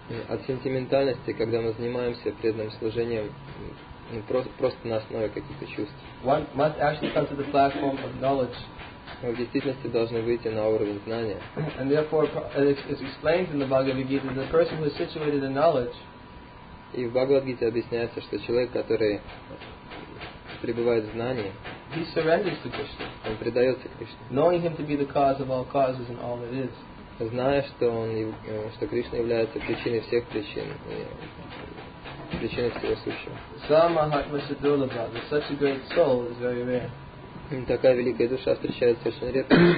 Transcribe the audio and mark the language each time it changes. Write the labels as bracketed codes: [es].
[ru] От сентиментальности, когда мы занимаемся преданным служением просто на основе каких-то чувств. [en] One must actually come to the platform of knowledge. [ru] Мы в действительности должны выйти на уровень знания. [en] And therefore, it's explained in the Bhagavad Gita that the person who is situated in knowledge. [ru] И в Бхагавад Гите объясняется, что человек, который пребывает в знании, [en] he surrenders to Krishna. [ru] Он предается Кришне. [en] Knowing him to be the cause of all causes and all that is. [ru] Зная, что Кришна является причиной всех причин, причиной всего сущего. Такая великая душа встречается очень редко.